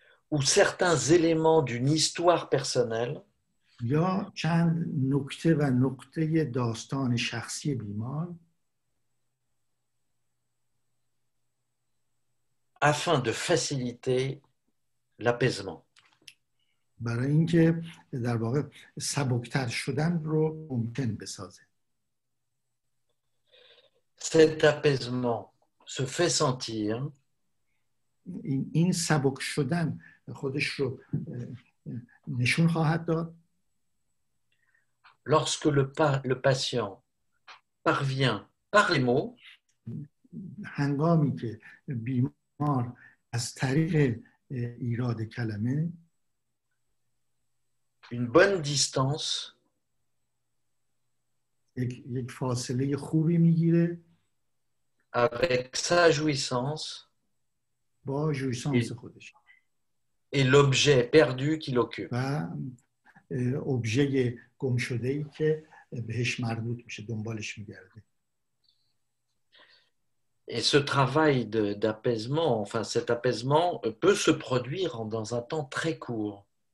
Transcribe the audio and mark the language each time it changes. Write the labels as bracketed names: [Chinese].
[French] Ou certains éléments d'une histoire personnelle. [Persian] یا چند نکته و نقطه داستان شخصی بیمار. [French] Afin de faciliter l'apaisement. [Persian] برای اینکه در واقع سبکتر شدن رو ممکن بسازه. [French] Cet apaisement se fait sentir. [Persian] این سبک شدن خودش رو نشون خواهد داد. [French] Lorsque le patient parvient par les mots, [Persian] هنگامی که بیمار از طریق ایراد کلمه [French] une bonne distance [Persian] یک فاصله خوبی میگیره [French] avec sa jouissance [Persian] با جویسانس خودش [French] et l'objet perdu qu'il occupe [Persian] و objet گم شده ای که بهش مربوط میشه دنبالش میگرده. [French] Et ce travail d'apaisement, enfin cet apaisement, peut se produire dans un temps très court.